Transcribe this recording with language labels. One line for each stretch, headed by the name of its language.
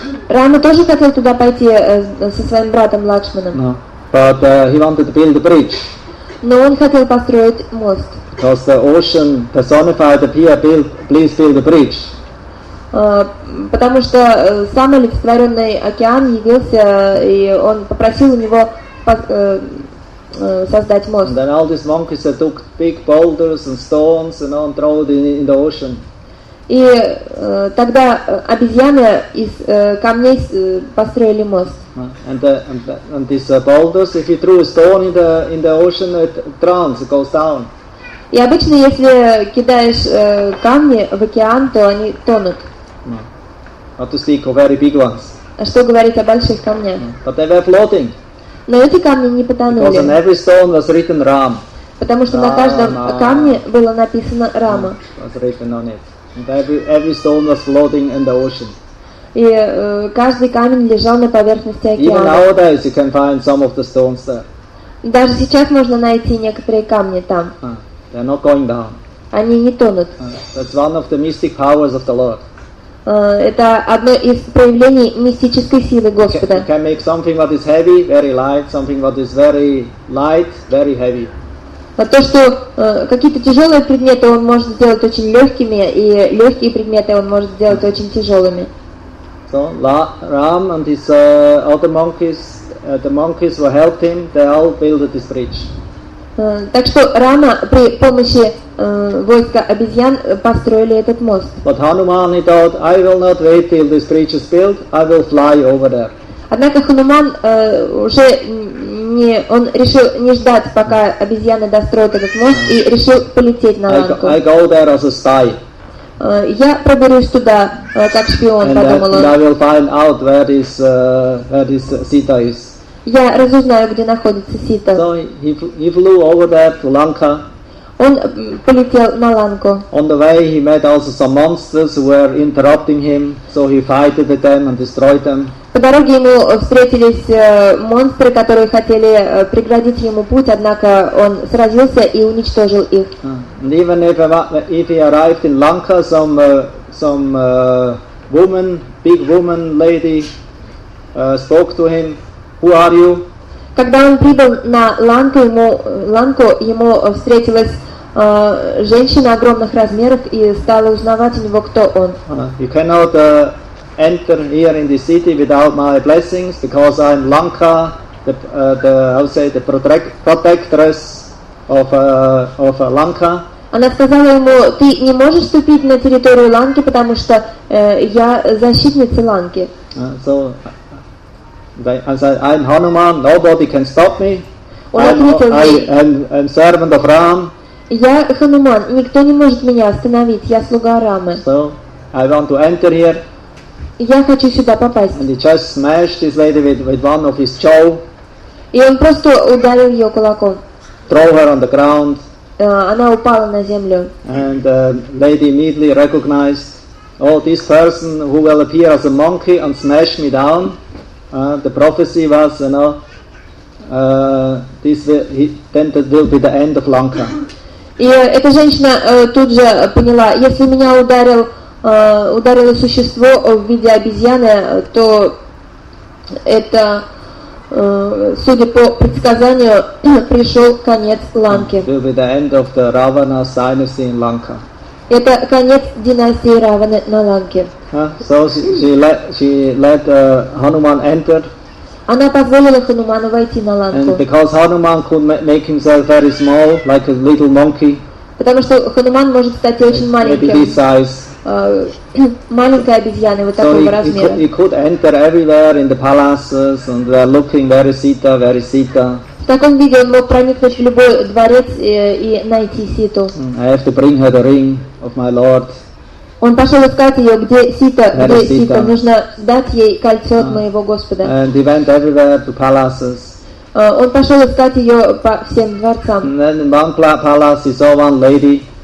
Russian: Рама тоже хотел туда пойти со своим братом Лакшманом.
English: No, but he wanted to build a bridge.
Russian: Но он хотел построить мост.
English: Because the ocean personified the pier, please build a bridge.
Russian: Потому что сам олицетворенный океан явился, и он попросил у него создать мост.
English: And then all these monkeys took big boulders and stones and all threw it in the ocean.
Russian: И тогда обезьяны из камней построили мост.
English: And these boulders, if you threw a stone in the ocean, it drowns, it goes down.
Russian: И обычно, если кидаешь камни в океан, то они тонут.
English: Not to speak of very big ones.
Russian: А что говорить о больших камнях?
English: But they were floating.
Russian: Но эти камни не потонули.
English: Because on every stone was written Ram.
Russian: Потому что на каждом камне было написано Рама.
English: Was written on it. And every stone was floating in the ocean.
Russian: И каждый камень лежал на поверхности океана.
English: Even nowadays you can find some of the stones there.
Russian: Даже сейчас можно найти некоторые камни там.
English: They're not going down.
Russian: Они не тонут.
English: That's one of the mystic powers of the Lord.
Russian: Это одно из проявлений мистической силы Господа.
English: You can make something that is heavy, very light, something that is very light, very heavy.
Russian: То, что какие-то тяжелые предметы он может сделать очень легкими, и легкие предметы он может сделать очень тяжелыми.
English: So, Ram and his other monkeys, the monkeys who helped him, they all built this bridge.
Russian: Так что Рама при помощи войска обезьян построили этот мост.
English: But Hanuman, he thought, I will not wait till this bridge is built, I will fly over there.
Russian: Однако Хануман уже не, он решил не ждать, пока обезьяны достроят этот мост, и решил полететь на Ланку.
English: I go there as a spy.
Russian: Я проберусь туда как шпион,
English: and
Russian: подумал он.
English: And I will find out where is Sita is.
Russian: Я разузнаю, где находится Сита.
English: So he flew over there to Lanka.
Russian: Он полетел на Ланку.
English: On the way he met also some monsters who were interrupting him, so he fighted them and destroyed them.
Russian: По дороге ему встретились монстры, которые хотели преградить ему путь, однако он сразился и уничтожил их.
English: And even if he arrived in Lanka, some woman, big woman lady, spoke to him. Who are you?
Russian: Когда он прибыл на Ланку, ему встретилась женщина огромных размеров и стала узнавать у него, кто он.
English: You cannot enter here in the city without my blessings, because I'm Lanka, the protectress of Lanka.
Russian: Она сказала ему: ты не можешь вступить на территорию Ланки, потому что я защитница Ланки.
English: I said, I'm Hanuman, nobody can stop me. I'm servant of Ram.
Russian: Я Хануман, никто не может меня остановить, я слуга Рамы.
English: So, I want to enter here.
Russian: Я хочу сюда попасть.
English: And he just smashed this lady with one of his chow.
Russian: И он просто ударил ее кулаком.
English: Throw her on the ground.
Russian: Она упала на землю.
English: And the lady immediately recognized, oh, this person who will appear as a monkey and smash me down. The prophecy was, you know, then that will be the end of Lanka.
Russian: И эта женщина тут же поняла, если меня ударило существо в виде обезьяны, то это, судя по предсказанию, пришел конец Ланки.
English: Will be the end of the Ravana dynasty in Lanka.
Russian: Это конец династии Раваны на Ланке.
English: So she let Hanuman enter.
Russian: Она позволила Хануману войти на лодку.
English: And because Hanuman could make himself very small, like a little monkey.
Russian: Потому что Хануман может стать очень маленьким.
English: Maybe this size.
Russian: Маленькой обезьяны вот такого размера.
English: So he could enter everywhere in the palaces and they're looking very Sita, very Sita.
Russian: В таком виде он мог проникнуть в любой дворец и найти Ситу.
English: I have to bring her the ring of my lord.
Russian: Он пошел искать ее, где Сита, где Сита. Нужно дать ей кольцо от моего Господа.
English: And he went everywhere to palaces.
Russian: Он пошел искать ее по всем дворцам.
English: And then in one palace he saw one lady.